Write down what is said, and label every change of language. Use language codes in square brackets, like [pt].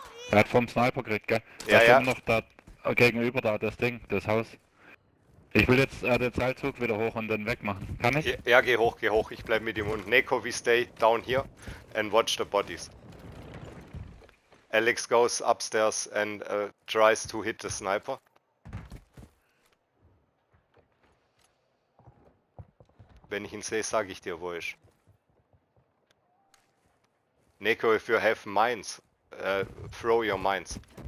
[de] Er hat vom Sniper gekriegt, gell? Ja, da ja. Kommt noch da gegenüber da, das Ding, das Haus. Ich will jetzt den Seilzug wieder hoch und dann wegmachen. Kann ich? Ja, geh hoch, ich bleib mit dem Hund. [en] Neko, we stay down here and watch the bodies. Alex goes upstairs and tries to hit the sniper. [de] Wenn ich ihn sehe, sag ich dir, wo ist. [en] Neko, if you have mines. Throw your minds.